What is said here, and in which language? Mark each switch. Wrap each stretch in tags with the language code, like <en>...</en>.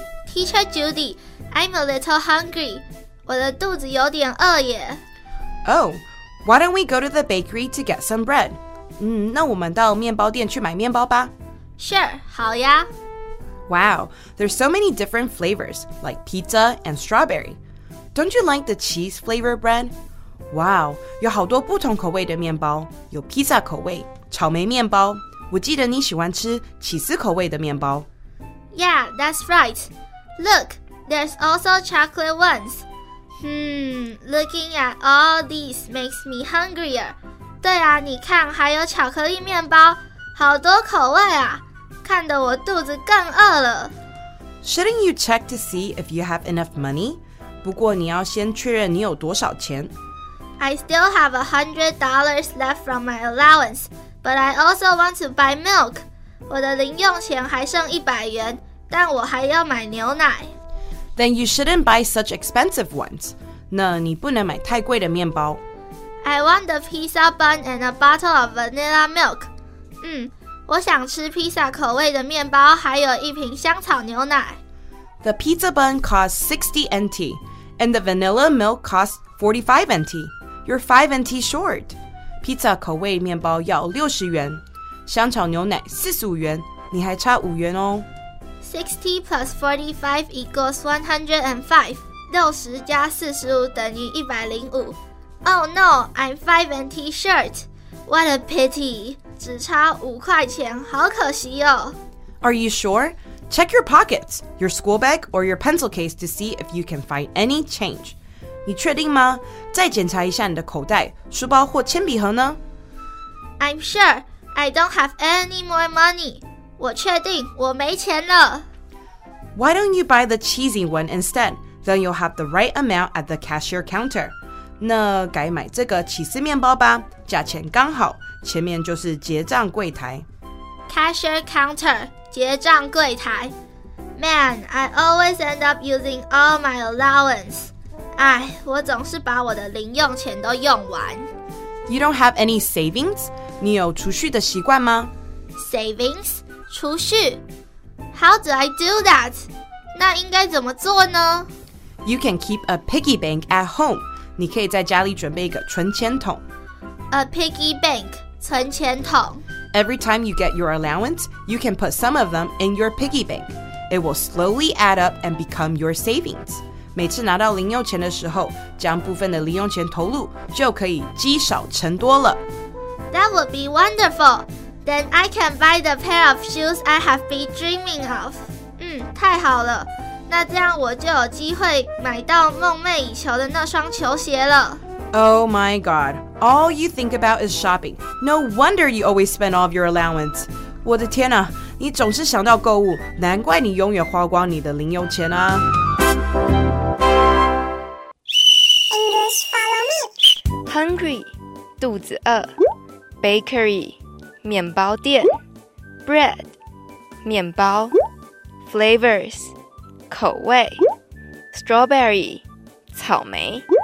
<en>Teacher Judy, I'm a little hungry.</en> <zh>我的肚子有点饿耶。</zh> <en>Oh, why don't we go to the bakery to get some bread?</en> <zh>那我们到面包店去买面包吧。</zh> <en>Sure,</en> <zh>好呀。</zh> <en>Wow, there's so many different flavors, like pizza and strawberry. Don't you like the cheese-flavored bread?</en> <zh>Wow, 有好多不同口味的面包，有披萨口味、草莓面包。我记得你喜欢吃起司口味的面包。</zh> <en>Yeah, that's right. Look, there's also chocolate ones. Looking at all these makes me hungrier.</en> <zh>对啊，你看，还有巧克力面包，好多口味啊，看得我肚子更饿了。</zh> <en>Shouldn't you check to see if you have enough money?</en> <zh>不过你要先确认你有多少钱。</zh> <en>I still have $100 left from my allowance, but I also want to buy milk.</en> <zh>我的零用钱还剩100元，但我还要买牛奶。</zh> <en>Then you shouldn't buy such expensive ones.</en> <zh>那你不能买太贵的面包。</zh> <en>I want a pizza bun and a bottle of vanilla milk.</en> <zh>我想吃披萨口味的面包，还有一瓶香草牛奶。</zh> <en>The pizza bun costs 60 NT, and the vanilla milk costs 45 NT. You're 5 NT short.</en> <zh>Pizza 口味面包要60元，香草牛奶45元，你还差5元哦。</zh> <en>60 plus 45 equals 105.</en> <zh>60加45等于105.</zh> <en>Oh no, I'm 5 NT short. What a pity.</en> <zh>只差5块钱，好可惜哦。</zh> <en>Are you sure? Check your pockets, your school bag, or your pencil case to see if you can find any change.</en> <zh>你确定吗？再检查一下你的口袋、书包或铅笔盒呢？</zh> <en>I'm sure. I don't have any more money.</en> <zh>我确定，我没钱了。</zh> <en>Why don't you buy the cheesy one instead? Then you'll have the right amount at the cashier counter.</en> <zh>那改买这个起司面包吧，价钱刚好，前面就是结账柜台。</zh> <en>Cashier counter, 结账柜台。 Man, I always end up using all my allowance.</en> <zh>哎，我总是把我的零用钱都用完。</zh> <en>You don't have any savings?</en> <zh>你有储蓄的习惯吗？</zh> <en>Savings? 储蓄？How do I do that?</en> <zh>那应该怎么做呢？</zh> <en>You can keep a piggy bank at home.</en> <zh>你可以在家里准备一个存钱筒。</zh> <en>A piggy bank, 存钱筒。 Every time you get your allowance, you can put some of them in your piggy bank. It will slowly add up and become your savings.</en> <zh>每次拿到零用钱的时候，将部分的零用钱投入，就可以积少成多了。</zh> <en>That would be wonderful. Then I can buy the pair of shoes I have been dreaming of.</en> <zh>太好了。那这样我就有机会买到梦寐以求的那双球鞋了。</zh> <en>Oh my god. All you think about is shopping. No wonder you always spend all of your allowance.</en> <zh>我的天啊，你总是想到购物，难怪你永远花光你的零用钱啊。</zh> <en>Hungry, 肚子饿 Bakery, 面包店 Bread, 面包 Flavors, 口味 Strawberry, 草莓</en>